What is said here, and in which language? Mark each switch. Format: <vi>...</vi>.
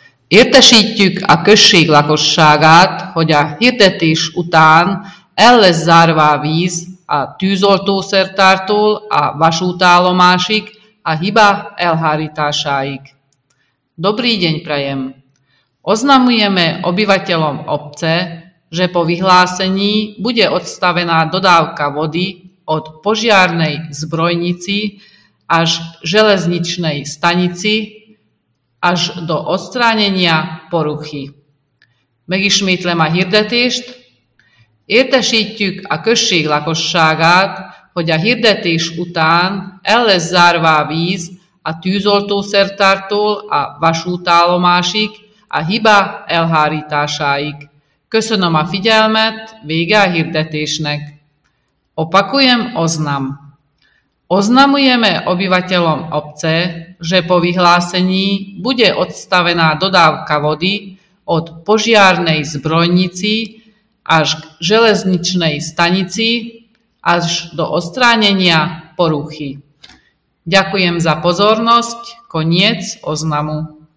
<hu>Értesítjük a község lakosságát, hogy a hirdetés után el lesz zárva a víz a tűzoltószertártól a vasútállomásig a hiba elhárításáig.</hu> <sk>Dobrý deň prajem! Oznamujeme obyvateľom obce, že po vyhlásení bude odstavená dodávka vody od požiarnej zbrojnici až železničnej stanici až do odstránenia poruchy.</sk> <hu>Megismétlem a hirdetést. Értesítjük a község lakosságát, hogy a hirdetés után el lesz zárva a víz a tűzoltószertártól a vasútállomásig a hiba elhárításáig. Köszönöm a figyelmet, vége a hirdetésnek.</hu> <sk>Opakujem oznam. Oznamujeme obyvateľom obce, že po vyhlásení bude odstavená dodávka vody od požiarnej zbrojnici až k železničnej stanici až do odstránenia poruchy. Ďakujem za pozornosť. Koniec oznamu.</sk>